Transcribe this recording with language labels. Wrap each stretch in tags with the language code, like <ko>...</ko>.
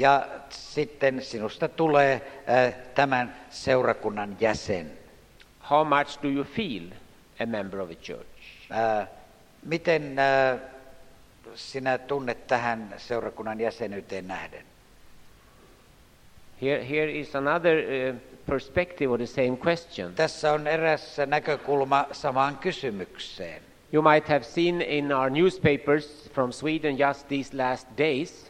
<fi>Ja sitten sinusta tulee tämän seurakunnan jäsen.</fi> <en>How much do you feel a member of the church?</en> <fi>Miten sinä tunnet tähän seurakunnan jäsenyyteen nähden?</fi> <en>Here is another perspective of the same question.</en> <fi>Tässä on eräs näkökulma samaan kysymykseen.</fi> <en>You might have seen in our newspapers from Sweden just these last days.</en>